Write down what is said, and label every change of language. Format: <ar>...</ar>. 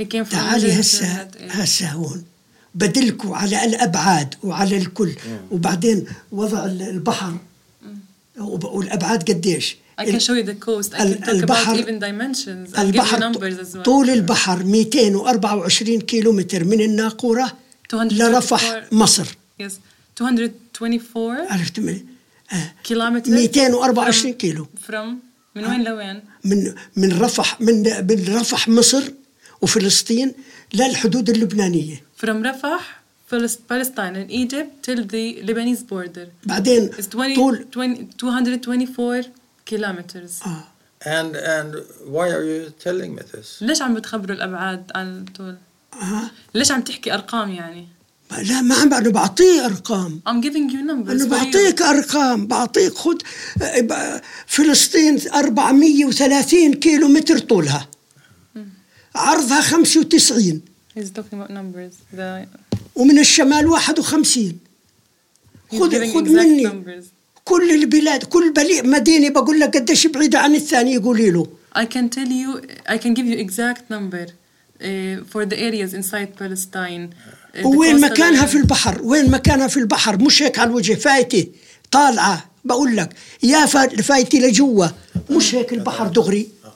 <ar>تعالي هسا هون بدلكوا على الأبعاد وعلى الكل وبعدين وضع البحر والأبعاد قديش</ar> <en>I can show you the coast I can talk about even dimensions I'll give you numbers as well</en> <ar>طول البحر 224 كيلومتر من الناقورة لرفح مصر</ar> <en>yes 224 كيلومتر</en> <ar>224 كيلو from من وين لوين من رفح من رفح مصر وفلسطين للحدود اللبنانية</ar> <en>from رفح Palestine and Egypt till the Lebanese border</en> <ar>بعدين</ar> <en>it's 224 kilometres and why are you telling me this</en> <ar>ليش عم بتخبروا الأبعاد عن طول ليش عم تحكي أرقام يعني لا ما عم بعرف بعطيه أرقام.</ar> <en>I'm giving you numbers.</en> <ar>أنا بعطيك أرقام بعطيك خد فلسطين 430 كيلو متر طولها عرضها 95.</ar> <en>He's talking about numbers.</en> <ar>ومن الشمال 51. خد مني</ar> <en>numbers.</en> <ar>كل البلاد كل بلي مدينة بقول لك قديش بعيدة عن الثانية قولي له.</ar> <en>I can tell you I can give you exact number for the areas inside Palestine.</en> <ar>وين مكانها في البحر وين مكانها في البحر مش هيك على الوجه فايتي طالعة بقول لك يا فايتي لجوة مش هيك البحر دغري</ar>